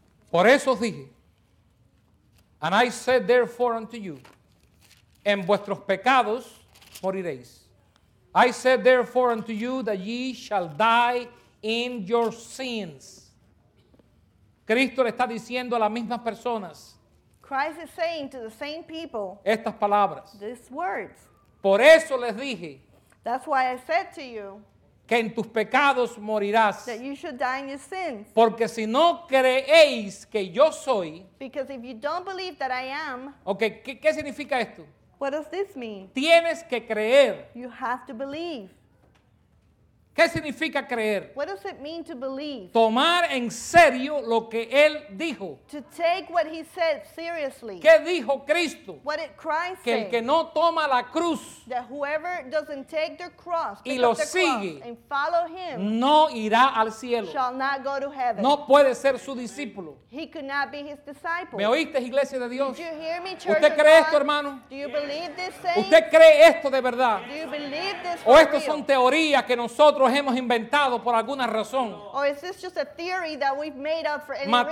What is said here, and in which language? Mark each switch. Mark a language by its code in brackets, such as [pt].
[es] Por eso os dije, [en] and I said therefore unto you, [es] en vuestros pecados moriréis. [en] I said therefore unto you that ye shall die in your sins. [es] Cristo le está diciendo a las mismas personas. [en] Christ is saying to the same people [es] estas palabras, [en] these words. [es] Por eso les dije, [en] that's why I said to you [es] que en tus pecados morirás, [en] that you should die in your sins. [es] Porque si no creéis que yo soy, [en] because if you don't believe that I am, [es] okay, ¿qué significa esto? [en] What does this mean? [es] Tienes que creer. [en] You have to believe. [es] ¿Qué significa creer? [en] What does it mean to believe? [es] Tomar en serio lo que él dijo. [en] To take what he said seriously. [es] ¿Qué dijo Cristo? [en] What did Christ say? [es] Que el que no toma la cruz. [en] That whoever doesn't take their cross. [es] Y lo sigue. [en] And follow him. [es] No irá al cielo. [en] Shall not go to heaven. [es] No puede ser su discípulo. [en] He could not be his disciple. [es] ¿Me oíste, iglesia de Dios? [en] Did you hear me, church? [es] ¿Usted cree esto, hermano? [en] Do you believe this, saints? [es] ¿Usted cree esto de verdad? [en] Do you believe this? [es] ¿O estas son teorías que nosotros hemos inventado por alguna razón? [en] Or is this just a theory that we've made up for any reason?